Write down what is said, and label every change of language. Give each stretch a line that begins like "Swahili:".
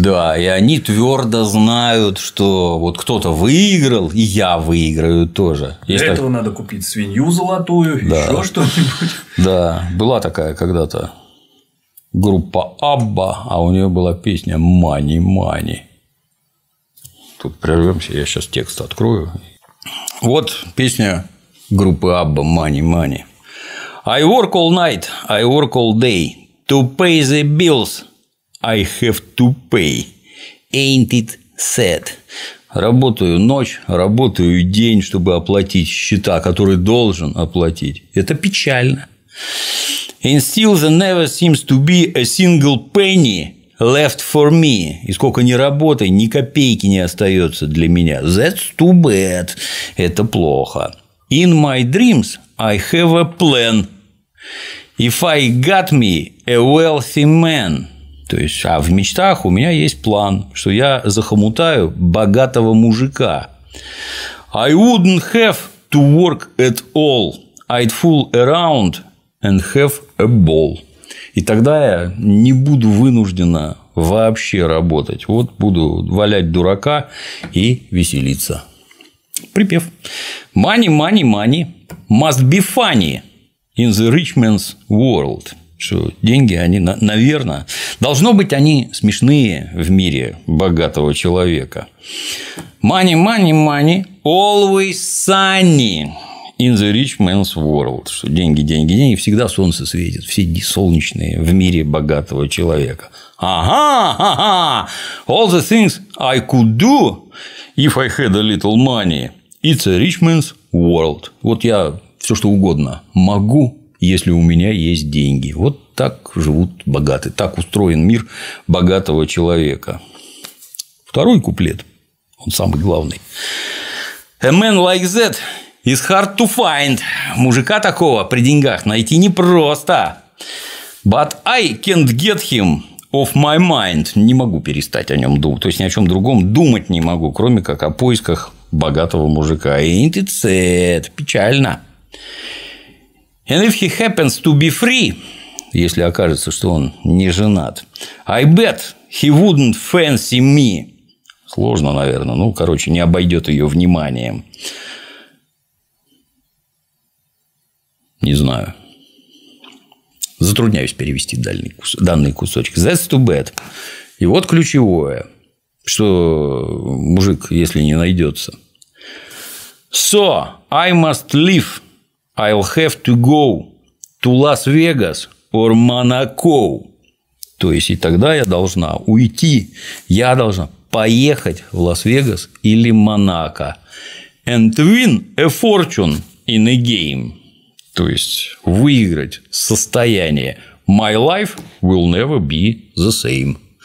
Russian: Да, и они твердо знают, что вот кто-то выиграл, и я выиграю тоже. Есть для этого надо купить свинью золотую, да. Еще что-нибудь. Да, была такая когда-то группа Абба, а у нее была песня «Money, money». Тут прервемся, я сейчас текст открою. Вот песня группы Абба
English: «Money, money». «I work all night, I work all day. To pay the bills, I have to pay. Ain't it sad?»
Russian: Работаю ночь, работаю день, чтобы оплатить счета, которые должен оплатить. Это печально.
English: «And still there never seems to be a single penny left for me».
Russian: И сколько ни работай, ни копейки не остается для меня.
English: «That's too bad».
Russian: Это плохо.
English: «In my dreams I have a plan. If I got me a wealthy man».
Russian: То есть, а в мечтах у меня есть план, что я захомутаю богатого мужика.
English: «I wouldn't have to work at all. I'd fool around and have a ball».
Russian: И тогда я не буду вынуждена вообще работать. Вот буду валять дурака и веселиться. Припев.
English: «Money, money, money must be funny in the rich man's world».
Russian: Что деньги, они, наверное, должно быть, они смешные в мире богатого человека.
English: «Money, money, money always sunny in the rich man's world».
Russian: Что деньги, деньги, деньги, всегда солнце светит, все дни солнечные в мире богатого человека. «Ага, ага,
English: all the things I could do, if I had a little money, it's a rich man's world».
Russian: Вот я все что угодно могу, если у меня есть деньги. Вот так живут богатые, так устроен мир богатого человека. Второй куплет, он самый главный.
English: «A man like that is hard to find».
Russian: Мужика такого при деньгах найти непросто.
English: «But I can't get him off my mind».
Russian: Не могу перестать о нем думать. То есть ни о чем другом думать не могу, кроме как о поисках богатого мужика.
English: «Ain't it sad?»
Russian: Печально.
English: «And if he happens to be free»,
Russian: если окажется, что он не женат,
English: «I bet he wouldn't fancy me».
Russian: Сложно, наверное. Ну, короче, не обойдет ее вниманием. Не знаю. Затрудняюсь перевести данный кусочек.
English: «That's too bad».
Russian: И вот ключевое, что мужик, если не найдется.
English: «So I must leave. I'll have to go to Las Vegas or Monaco».
Russian: То есть, и тогда я должна уйти. Я должна поехать в Лас-Вегас или Монако.
English: «And win a fortune in a game».
Russian: То есть, выиграть состояние.
English: «My life will never be the same».